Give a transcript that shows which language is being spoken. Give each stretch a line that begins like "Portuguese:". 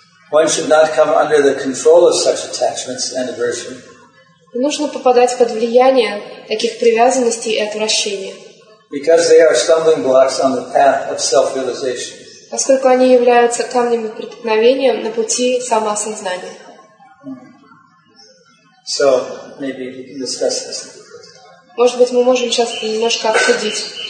English: One should not come under the control of such attachments and aversion.
Russian: Нужно попадать под влияние таких привязанностей и отвращения.
English: Because they are stumbling blocks on the path of self-realization.
Russian: Поскольку они являются камнями преткновения на пути самоосознания.
English: So maybe we can discuss this.
Russian: Может быть, мы можем сейчас немножко обсудить.